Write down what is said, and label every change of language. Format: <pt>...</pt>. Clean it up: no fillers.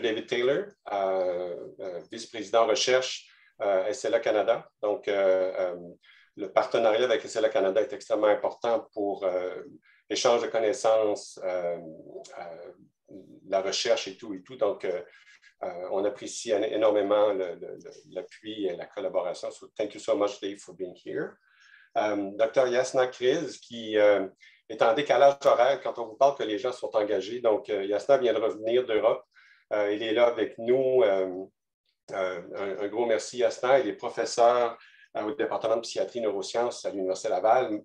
<fr>David Taylor, vice-président recherche SLA Canada. Donc, le partenariat avec SLA Canada est extrêmement important pour l'échange de connaissances, la recherche et tout. Donc, on apprécie énormément l'appui et la collaboration.</fr> <en>So, thank you so much, Dave, for being here. Dr.</en> <fr>Yasna Kriz, qui est en décalage horaire quand on vous parle que les gens sont engagés. Donc, Yasna vient de revenir d'Europe. Il est là avec nous. Un gros merci à Yasna. Il est professeur au département de psychiatrie et neurosciences à l'Université Laval.</fr>